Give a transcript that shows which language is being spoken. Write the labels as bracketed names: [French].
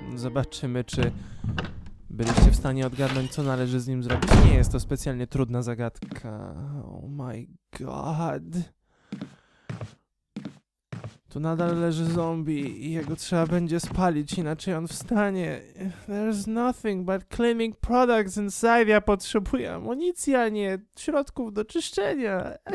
[Polish] Zobaczymy, czy byliście w stanie odgadnąć, co należy z nim zrobić. Nie jest to specjalnie trudna zagadka. [English] Oh my god. [Polish] Tu nadal leży zombie i jego trzeba będzie spalić, inaczej on wstanie. [English] There's nothing but cleaning products inside. [Polish] Ja potrzebuję amunicji, a nie środków do czyszczenia.